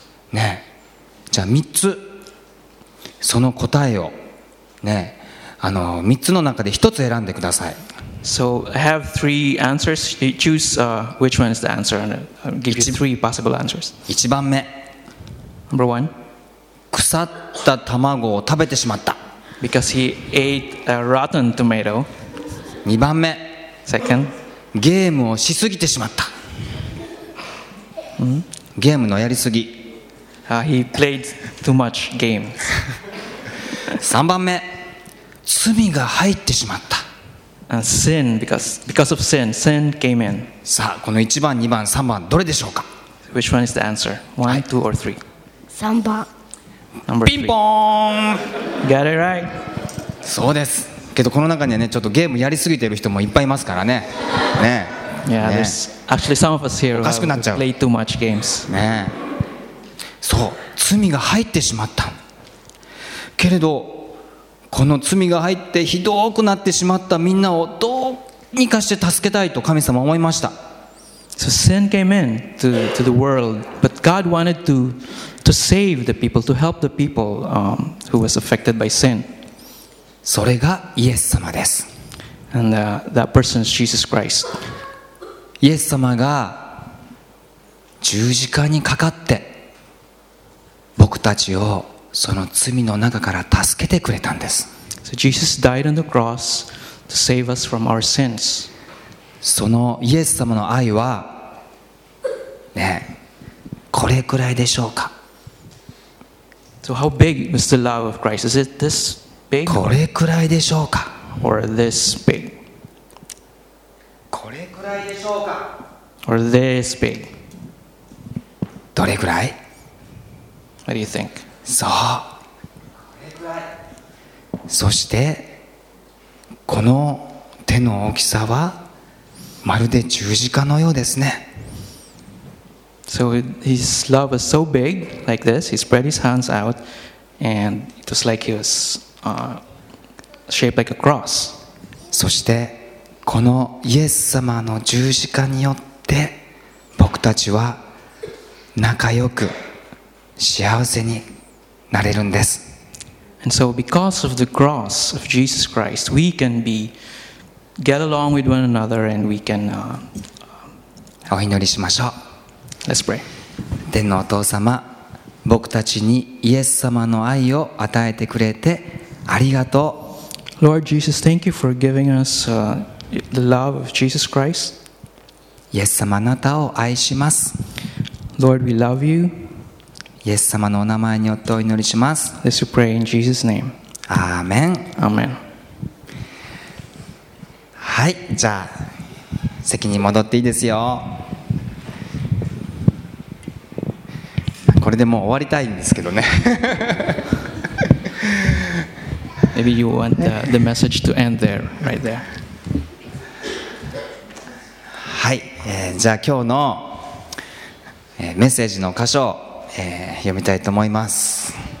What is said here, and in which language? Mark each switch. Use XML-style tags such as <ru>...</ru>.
<ja>ね、じゃあ3つその答えをね。 3つの中で1つ選んでください。</ja> <en>So I have three answers. You choose which one is the answer and I'll give you three possible answers.</en> <ja>1番目。</ja> <en>Number one.</en> <ja>腐った卵を食べてしまった。</ja> <en>Because he ate a rotten tomato.</en> <ja>2番目。</ja> <en>Second.</en> <ja>ゲームをしすぎてしまった。ゲームのやりすぎ。</ja> <en>He played too much games.</en> <ja>3番目。罪が入ってしまった。</ja> <en>Sin, because of sin, sin came in.</en> <ja>さあ、この1番、2番、3番、どれでしょうか。</ja> <en>Which one is the answer? One, two, or three?</en> <ja>3番。</ja> <en>Number three.</en> <ja>ピンポーン。</ja> <en>Got it right.</en> <ja>そうです。けどこの中にはね、ちょっとゲームやりすぎてる人もいっぱいいますからね。ね。</ja> <en>Yeah, there's actually some of us here who play too much games.</en> <ja>ね。そう、罪が入ってしまった。けれど。この罪が入ってひどくなってしまったみんなをどうにかして助けたいと神様は思いました。</ja> <en>So sin came in to the world, but God wanted to save the people, to help the people who was affected by sin.</en> <ja>それがイエス様です。</ja> <en>And that person is Jesus Christ.</en> <ja>イエス様が十字架にかかって僕たちをその罪の中から助けてくれたんです。</ja> <en>So Jesus died on the cross to save us from our sins.</en> <ja>そのイエス様の愛はね、これくらいでしょうか。</ja> <en>So how big is the love of Christ? Is it this big?</en> <ja>これくらいでしょうか。</ja> <en>Or this big?</en> <ja>これくらいでしょうか。</ja> <en>Or this big?</en> <ja>どれくらい？</ja> <en>What do you think?</en> <ja>そう。そしてこの手の大きさはまるで十字架のようですね。</ja> <en>So his love was so big like this. He spread his hands out and it was like he was shaped like a cross.</en> <ja>そしてこのイエス様の十字架によって僕たちは仲良く幸せに。なれるんです。</ja> <en>And so because of the cross of Jesus Christ, we can get along with one another and we can</en> <ja>お祈りしましょう。</ja> <en>Let's pray.</en> <ja>天のお父様、僕たちにイエス様の愛を与えてくれてありがとう。</ja> <en>Lord Jesus, thank you for giving us the love of Jesus Christ.</en> <ja>イエス様、あなたを愛します。</ja> <en>Lord, we love you.</en> <ja>イエス様のお名前によってお祈りします。</ja> <en>Let's pray in Jesus' name. Amen. Amen.</en> <ja>はい、じゃあ席に戻っていいですよ。これでもう終わりたいんですけどね。</ja> <en>Maybe you want the message to end there, right there.</en> <ja>はい、じゃあ今日の、メッセージの箇所を、読みたいと思います。</ja>